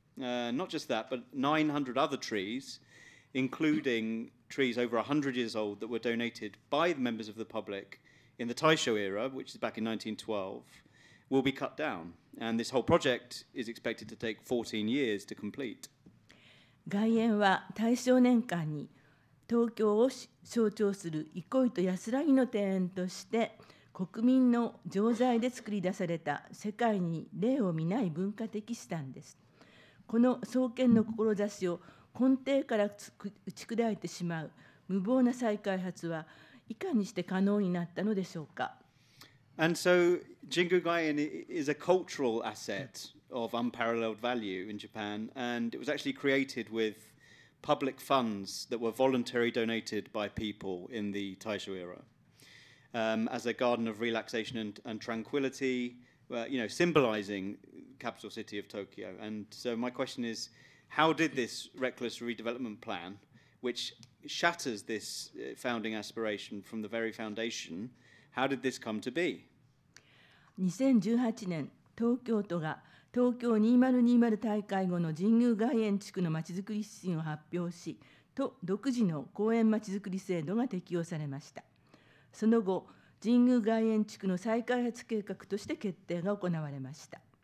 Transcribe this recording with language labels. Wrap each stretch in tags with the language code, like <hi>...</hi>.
<en>Not just that, but 900 other trees, including trees over 100 years old that were donated by the members of the public in the Taisho era, which is back in 1912, will be cut down. And this whole project is expected to take 14 years to complete.</en> <ja>外苑は大正年間に東京を象徴する憩いと安らぎの庭園として国民の常在で作り出された世界に例を見ない文化的資産です。この創建の志を根底から打ち砕いてしまう無謀な再開発はいかにして可能になったのでしょうか。</ja> <en>And so, Jingu Gaien is a cultural asset of unparalleled value in Japan, and it was actually created with public funds that were voluntarily donated by people in the Taisho era as a garden of relaxation and tranquility, you know, symbolizing capital city of Tokyo. And so my question is, how did this reckless redevelopment plan, which shatters this founding aspiration from the very foundation, how did this come to be?</en> <ja>2018年、東京都が東京2020大会後の神宮外苑地区のまちづくり指針を発表し、都独自の公園まちづくり制度が適用されました。その後、神宮外苑地区の再開発計画として決定が行われました。</ja>